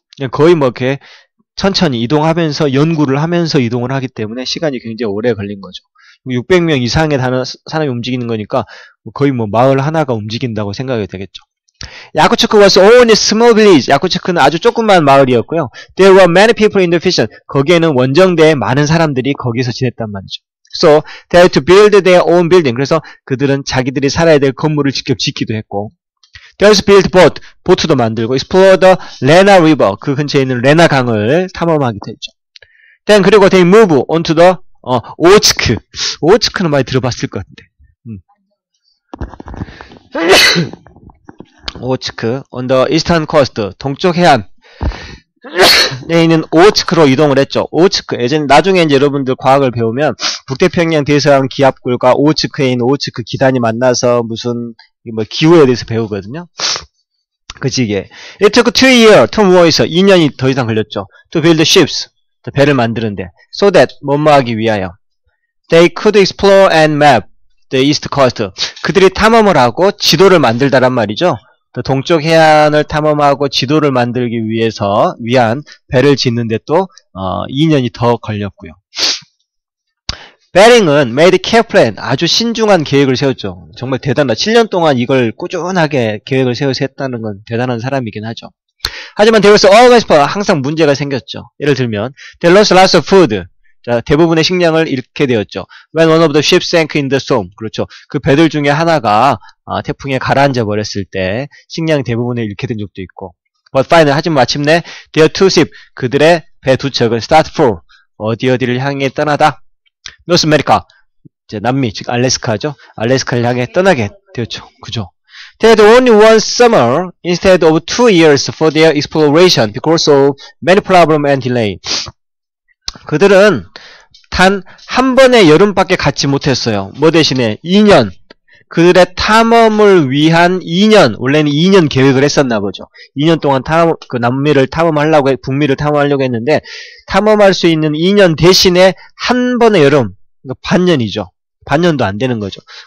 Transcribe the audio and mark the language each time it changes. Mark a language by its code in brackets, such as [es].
[ko] 거의 뭐 이렇게 천천히 이동하면서 연구를 하면서 이동을 하기 때문에 시간이 굉장히 오래 걸린 거죠. 600명 이상의 사람이 움직이는 거니까 거의 뭐 마을 하나가 움직인다고 생각이 되겠죠. [en] 야쿠츠크 was only small village. [ko] 야쿠츠크는 아주 조그만 마을이었고요. [en] There were many people in the fishing. [ko] 거기에는 원정대에 많은 사람들이 거기서 지냈단 말이죠. [en] So they had to build their own building. [ko] 그래서 그들은 자기들이 살아야 될 건물을 직접 짓기도 했고. [en] They also built boat. [ko] 보트도 만들고. [en] Explore the Lena River. [ko] 그 근처에 있는 레나 강을 탐험하기도 했죠. [en] Then [ko] 그리고 [en] they move onto the 오츠크. [ko] 오츠크는 많이 들어봤을 것 같은데. 오츠크, [en] on the eastern coast, [ko] 동쪽 해안에 있는 오츠크로 이동을 했죠. 오츠크, 예전 나중에 이제 여러분들 과학을 배우면 북태평양 대서양 기압골과 오츠크에 있는 오츠크 기단이 만나서 무슨 뭐 기후에 대해서 배우거든요. 그치, 이게. [en] It took 2 years, [ko] 터무어에서 2년이 더 이상 걸렸죠. [en] To build the ships, [ko] 배를 만드는데. [en] So that, [ko] 뭐뭐하기 위하여. [en] They could explore and map the east coast. [ko] 그들이 탐험을 하고 지도를 만들다란 말이죠. 동쪽 해안을 탐험하고 지도를 만들기 위해서 위한 배를 짓는데 또 2년이 더 걸렸고요. 베링은 [en] made careful plan, [ko] 아주 신중한 계획을 세웠죠. 정말 대단하다. 7년 동안 이걸 꾸준하게 계획을 세워서 했다는 건 대단한 사람이긴 하죠. 하지만 [en] there was always [ko] 항상 문제가 생겼죠. 예를 들면 [en] they lost lots of food. [ko] 자, 대부분의 식량을 잃게 되었죠. [en] When one of the ships sank in the storm. [ko] 그렇죠. 그 배들 중에 하나가 태풍에 가라앉아 버렸을 때 식량 대부분을 잃게 된 적도 있고. [en] But finally, [ko] 하지만 마침내 [en] their two ships, [ko] 그들의 배 두 척은 [en] start for [ko] 어디 어디를 향해 떠나다. [en] North America, [ko] 이제 남미, 즉 알래스카죠. 알래스카를 향해 떠나게 되었죠. 그죠. [en] They had only one summer instead of 2 years for their exploration because of many problems and delay. [ko] 그들은 단 한 번의 여름밖에 갖지 못했어요. 뭐 대신에 2년. 그들의 탐험을 위한 2년. 원래는 2년 계획을 했었나 보죠. 2년 동안 그 남미를 탐험하려고, 북미를 탐험하려고 했는데, 탐험할 수 있는 2년 대신에 한 번의 여름. 그러니까 반년이죠. 반년도 안 되는 거죠.